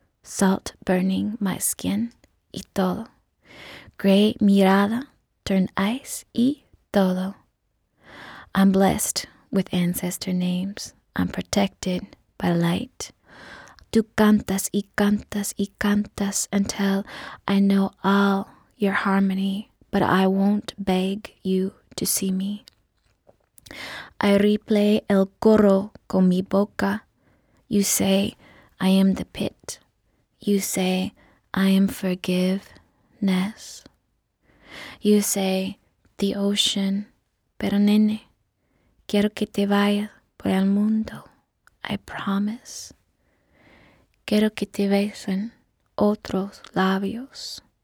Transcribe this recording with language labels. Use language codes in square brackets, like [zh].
[en] Salt burning my skin [es] y todo. [en] Gray mirada turned ice [es] y todo. [en] I'm blessed with ancestor names. I'm protected by light. [es] Tú cantas y cantas y cantas [en] until I know all your harmony. But I won't beg you to see me. I replay [es] el coro con mi boca. [en] You say, I am the pit. You say, I am forgiveness. You say, the ocean. [es] Pero nene, quiero que te vayas por el mundo. [en] I promise. [es] Quiero que te besen otros labios.